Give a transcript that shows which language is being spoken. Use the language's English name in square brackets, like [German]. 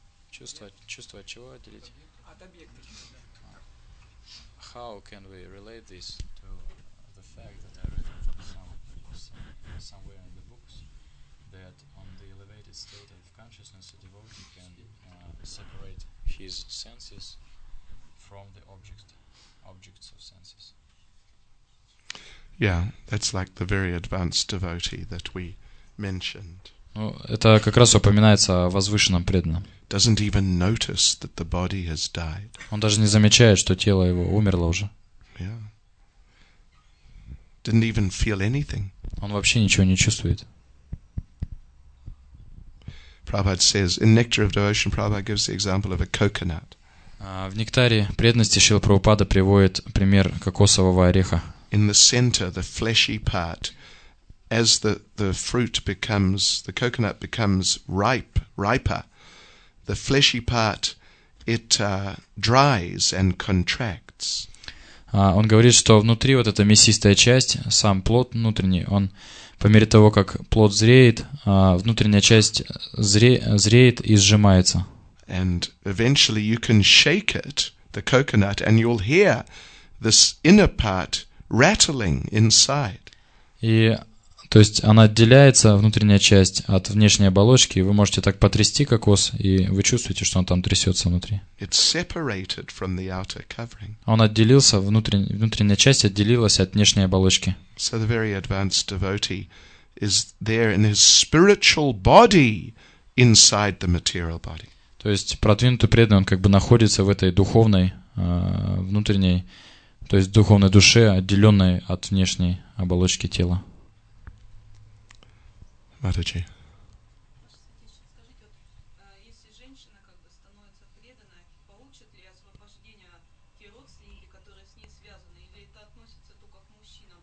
[Russian] Чувство от чего отделить? От объекта. [English] How can we relate this to the fact that I read from somewhere in the books that on the elevated state of consciousness a devotee can separate his senses from the objects of senses? Yeah, that's like the very advanced devotee that we mentioned. [Russian] Ну, это как раз упоминается о возвышенном преданном. [English] Doesn't even notice that the body has died. [Russian] Он даже не замечает, что тело его умерло уже. [English] Yeah. Didn't even feel anything. [Russian] Он вообще ничего не чувствует. [English] Prabhupada says, in Nectar of Devotion, Prabhupada gives the example of a coconut. [Russian] В нектаре преданности Шрила Прабхупада приводит пример кокосового ореха. [English] In the center, the fleshy part, as the fruit becomes, the coconut becomes riper, the fleshy part, it dries and contracts. [Russian] Он говорит, что внутри вот эта мясистая часть, сам плод внутренний, он по мере того, как плод зреет, внутренняя часть зреет и сжимается. [English] And eventually you can shake it, the coconut, and you'll hear this inner part rattling inside. [Russian] То есть она отделяется, внутренняя часть, от внешней оболочки, и вы можете так потрясти кокос, и вы чувствуете, что он там трясется внутри. [English] It's separated from the outer covering. [Russian] Он отделился, внутренняя часть отделилась от внешней оболочки. [English] So the very advanced devotee is there in his spiritual body inside the material body. [Russian] То есть продвинутый преданный, он как бы находится в этой духовной, внутренней, то есть духовной душе, отделенной от внешней оболочки тела. Матаджи. Скажите, вот, если женщина как бы становится преданной, получит ли освобождение от те родственники, которые с ней связаны, или это относится только к мужчинам?